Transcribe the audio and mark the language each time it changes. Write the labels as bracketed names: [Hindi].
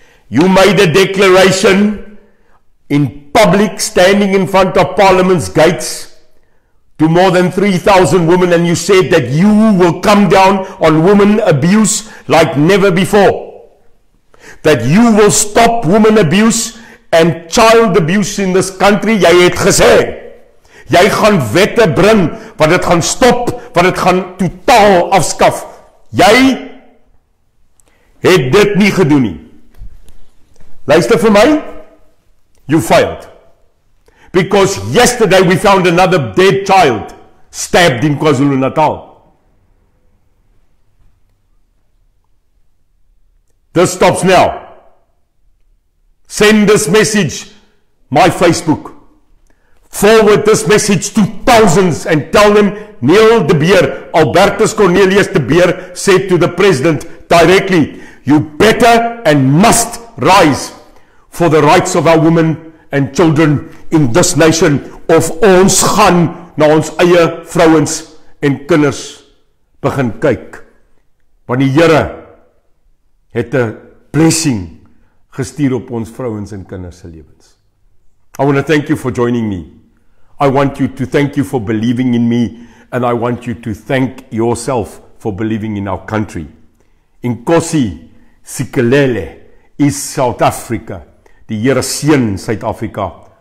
[English] You made a declaration in public, standing in front of Parliament's gates to more than 3,000 women, and you said that you will come down on women abuse like never before. That you will stop women abuse and child abuse in this country. [Afrikaans] Jy het gesê, jy gaan wette bring wat dit gaan stop, wat dit gaan totaal afskaf. Jy het dit nie gedoen nie. Luister vir my, [English] you failed. Because yesterday we found another dead child stabbed in KwaZulu-Natal. This stops now. Send this message, my Facebook. Forward this message to thousands and tell them Neil de Beer, Albertus Cornelius de Beer said to the president directly, you better and must rise for the rights of our women and children in this nation of [Afrikaans] ons gaan na ons eie vrouens en kinders begin kyk. Want die Here het 'n blessing gestuur op ons vrouens en kinders se lewens. [English] I want to thank you for joining me. I want you to thank you for believing in me, and I want you to thank yourself for believing in our country. [Zulu] Inkosi sikelele is South Africa. [Afrikaans] Die Here seën Suid-Afrika.